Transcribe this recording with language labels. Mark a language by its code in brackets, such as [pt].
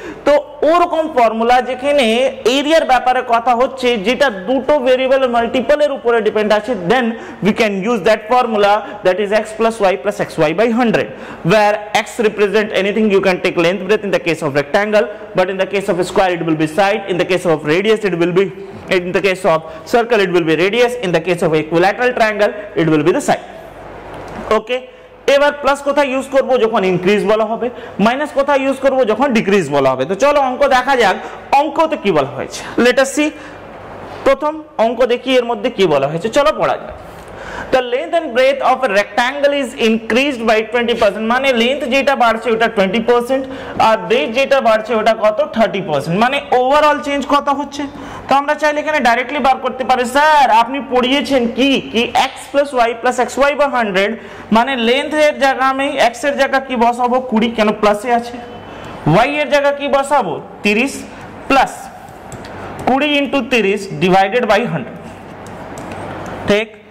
[bn] তো ওরকম ফর্মুলা যেখানে এরিয়ার ব্যাপারে কথা হচ্ছে যেটা দুটো ভেরিয়েবলের মাল্টিপলের উপরে ডিপেন্ড আছে, [en] Then we can use that formula that is x plus y plus x y by 100, where x represent anything, you can take length breadth in the case of rectangle, but in the case of square it will be side, in the case of radius it will be, in the case of circle it will be radius, in the case of equilateral triangle it will be the side, okay. [bn] এবার plus কোথায় use করব যখন increase বলা হবে, minus কোথায় use করব যখন decrease বলা হবে। তো চলো অঙ্ক দেখা যাক, অঙ্কতে কি বলা হয়েছে, [en] Let us see. [bn] প্রথম অঙ্ক দেখি এর মধ্যে কি বলা হয়েছে, চলো পড়া যাক। [en] The length and breadth of a rectangle is increased by 20%. [bn] মানে length যেটা বাড়ছে ওটা 20% আর breadth যেটা বাড়ছে ওটা কত 30%, মানে ওভারঅল চেঞ্জ কত হচ্ছে। তো আমরা চাইলে এখানে ডাইরেক্টলি বার করতে পারি, স্যার আপনি পড়িয়েছেন কি কি x + y + xy / 100, মানে length এর জায়গা আমি x এর জায়গা কি বসাবো 20, কেন প্লাসে আছে, y এর জায়গা কি বসাবো 30 প্লাস 20 ইনটু 30 ডিভাইডেড বাই 100, ঠিক।